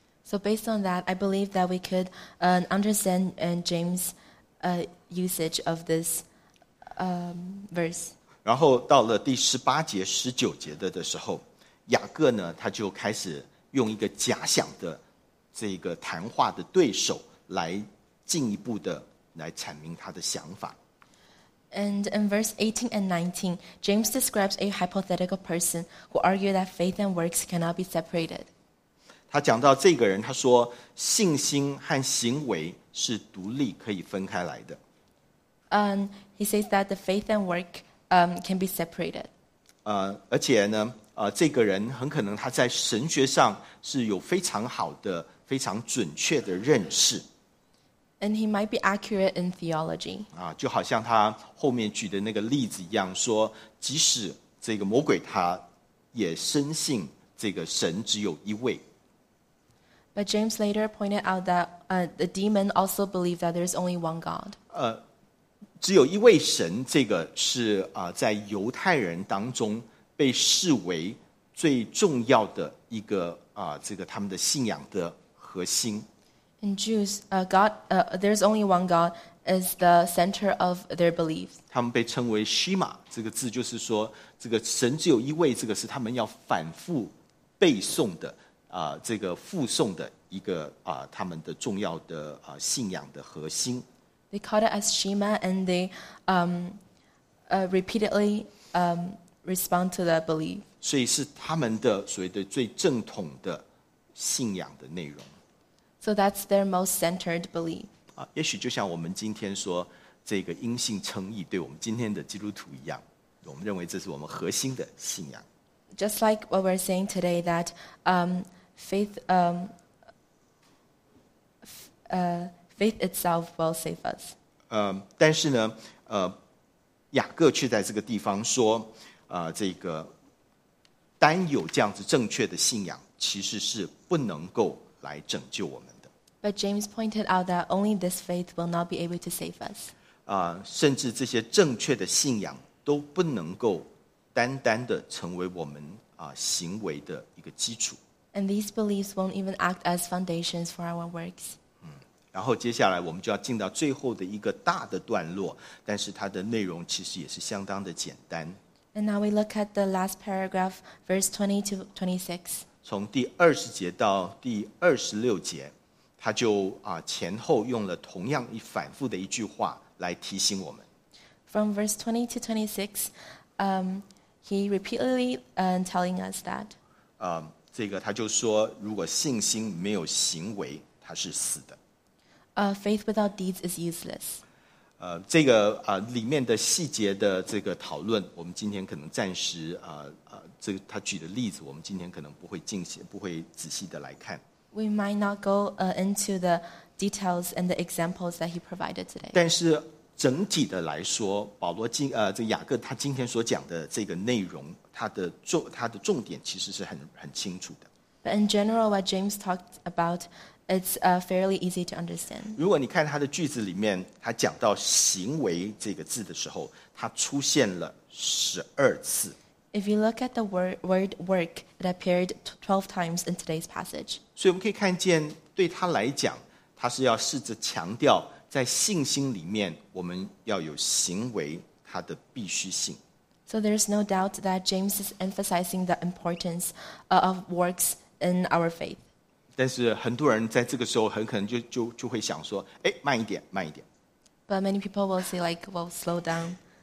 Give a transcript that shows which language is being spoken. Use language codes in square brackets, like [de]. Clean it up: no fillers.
[en] So based on that, I believe that we could understand James' usage of this verse. [zh] 然后到了第十八节、十九节的时候，雅各呢，他就开始用一个假想的这个谈话的对手来进一步的。来阐明他的想法。 [en] And in verse 18 and 19, James describes a hypothetical person who argued that faith and works cannot be separated. [zh] 他讲到这个人，他说信心和行为是独立可以分开来的。 [en] He says that the faith and work can be separated. [zh] 而且呢，这个人很可能他在神学上是有非常好的、非常准确的认识。 [en] And he might be accurate in theology. [zh] 就好像他后面举的那个例子一样，说即使这个魔鬼他也深信这个神只有一位。 [en] But James later pointed out that the demon also believed that there is only one God. [zh] 只有一位神，这个是在犹太人当中被视为最重要的一个这个他们的信仰的核心。 [en] In Jews, God, there's only one God, is the center of their belief. [zh] 他们被称为 Shema, 这个字就是说，这个神只有一位，这个是他们要反复背诵的，这个复诵的一个他们的重要的信仰的核心。 [en] They call it as Shema, and they repeatedly respond to the belief. [zh] 所以是他们的所谓的最正统的信仰的内容。 [en] So that's their most centered belief. [zh] 也许就像我们今天说这个因信称义，对我们今天的基督徒一样，我们认为这是我们核心的信仰。 [en] Just like what we're saying today, that faith itself will save us. [zh] 但是呢，雅各却在这个地方说，这个单有这样子正确的信仰，其实是不能够来拯救我们。 [en] But James pointed out that only this faith will not be able to save us. [zh] 甚至这些正确的信仰都不能够单单的成为我们行为的一个基础。 [en] And these beliefs won't even act as foundations for our works. [zh] 然后接下来我们就要进到最后的一个大的段落，但是它的内容其实也是相当的简单。 [en] And now we look at the last paragraph, verse 20 to 26. [zh] 从第二十节到第二十六节。他就前后用了同样一反复的一句话来提醒我们。 [en] From verse 20 to 26, he repeatedly telling us that. [zh] 这个他就说，如果信心没有行为，他是死的。 [en] Faith without deeds is useless. [zh] 这个里面的细节的这个讨论，我们今天可能暂时这个他举的例子，我们今天可能不会进行，不会仔细的来看。 [en] We might not go into the details and the examples that he provided today. [zh] 但是整体的来说，保罗今这雅各他今天所讲的这个内容，他的重点其实是很清楚的。 [en] But in general, what James talked about, it's fairly easy to understand. [zh] 如果你看他的句子里面，他讲到行为这个字的时候，他出现了12次。 [en] If you look at the word work, it appeared 12 times in today's passage. [zh] 所以我们可以看见，对他来讲，他是要试着强调，在信心里面，我们要有行为它的必须性。 [en] So there's no doubt that James is emphasizing the importance of works in our faith. [zh] 但是很多人在这个时候很可能就会想说，哎，慢一点，慢一点。 [en] But many people will say like, well, slow down.